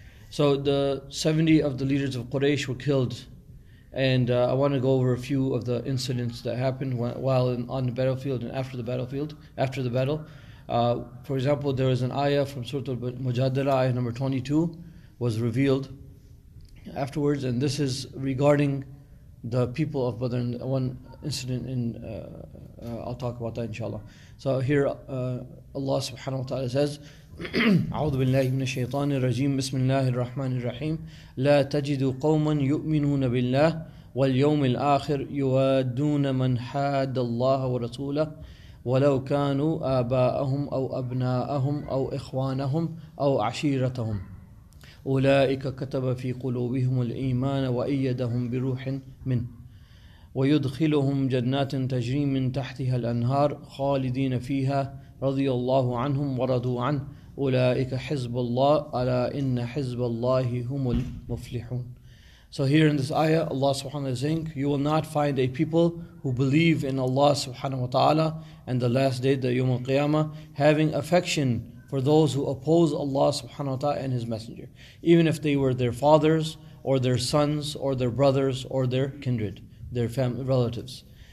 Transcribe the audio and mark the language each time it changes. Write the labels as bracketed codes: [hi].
[en] So the 70 of the leaders of Quraysh were killed. And I want to go over a few of the incidents that happened while on the battlefield and after the battlefield, after the battle. For example, there is an ayah from Surah Al-Mujadala, ayah number 22, was revealed afterwards. And this is regarding the people of Badr. One incident I'll talk about that, inshallah. So here Allah subhanahu wa ta'ala says, [ar] أعوذ بالله من الشيطان الرجيم بسم الله الرحمن الرحيم لا تجد قوما يؤمنون بالله واليوم الآخر يوادون من حاد الله ورسوله ولو كانوا آباءهم أو أبناءهم أو إخوانهم أو عشيرتهم أولئك كتب في قلوبهم الإيمان وأيدهم بروح منه ويدخلهم جنات تجري من تحتها الأنهار خالدين فيها رضي الله عنهم ورضوا عنه أولئك حزب الله ألا إن حزب الله هم المفلحون. [en] So here in this ayah, Allah subhanahu wa ta'ala is saying, you will not find a people who believe in Allah subhanahu wa ta'ala and the last day, the Yawm al-Qiyamah, having affection for those who oppose Allah subhanahu wa ta'ala and His Messenger, even if they were their fathers or their sons or their brothers or their kindred, their family relatives.